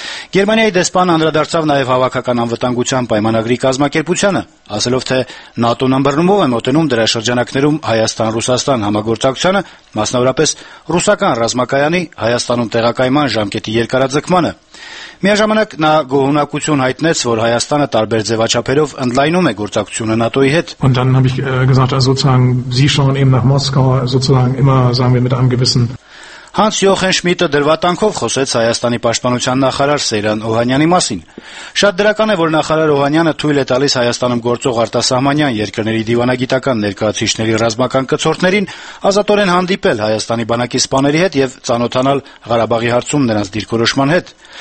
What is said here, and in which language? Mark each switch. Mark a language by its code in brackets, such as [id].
[hy] Գերմանիայի դեսպան անդրադարձավ նաև հավաքական անվտանգության պայմանագրի կազմակերպությանը, ասելով, թե ՆԱՏՕ-ն ամբռնումով է մոտենում դրա շրջանակներում Հայաստան-Ռուսաստան համագործակցությանը, մասնավորապես ռուսական ռազմակայանի Հայաստանում տեղակայման ժամկետի երկարաձգմանը։ Միաժամանակ նա գոհունակություն հայտնեց, որ Հայաստանը տարբեր ձևաչափերով ընդլայնում է գործակցությունը ՆԱՏՕ-ի հետ։ [de] Und dann habe ich gesagt, also sozusagen Sie schon eben nach Moskau sozusagen immer sagen wir mit einem gewissen [hy] Հանս Յոխեն Շմիդտը դրվատանքով խոսեց Հայաստանի պաշտպանության նախարար Սեյրան Օհանյանի մասին։ Շատ դրական է, որ նախարար Օհանյանը թույլ է տալիս Հայաստանում գործող արտասահմանյան երկրների դիվանագիտական ներկայացուցիչների ռազմական կցորդներին ազատորեն հանդիպել Հայաստանի բանակի սպաների հետ և ծանոթանալ Ղարաբաղի հարցում նրանց դիրքորոշման հետ։